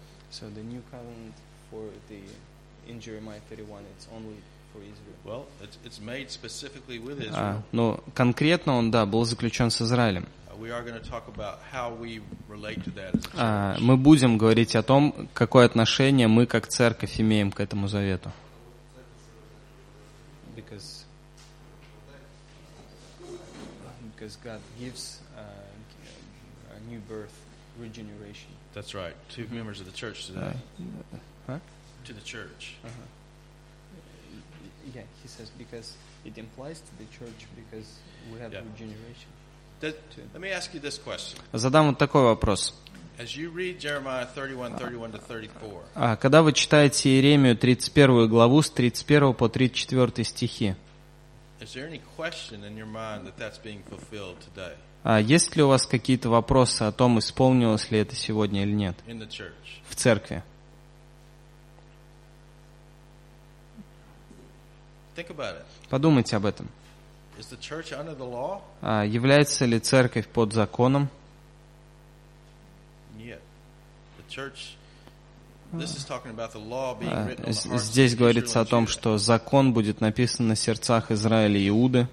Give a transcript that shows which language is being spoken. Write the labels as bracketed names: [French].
[English] So the new covenant for the in Jeremiah 31, it's only for Israel. Well, it's made specifically with Israel. [Russian] Но конкретно он, да, был заключен с Израилем. [English] We are going to talk about how we relate to that. [Russian] Мы будем говорить о том, какое отношение мы как церковь имеем к этому завету. [English] Because God gives a new birth, regeneration. That's right. Two members of the church today. To the church. Yeah, he says because it implies to the church because we have regeneration. Let me ask you this question. [Russian] Задам вот такой вопрос. [English] As you read Jeremiah 31:31-34. [Russian] Когда вы читаете Иеремию 31 главу с 31 по 34 стихи. [English] Is there any question in your mind that that's being fulfilled today? [Russian] Есть ли у вас какие-то вопросы о том, исполнилось ли это сегодня или нет? [English] In the church. [Russian] В церкви. [English] Think about it. [Russian] Подумайте об этом. [English] Is the church under the law? [Russian] Является ли церковь под законом? Нет. [English] The church. This is talking about the law being written on the hearts of Israel. [Russian] Здесь говорится о том, что закон будет написан на сердцах Израиля и Иуды.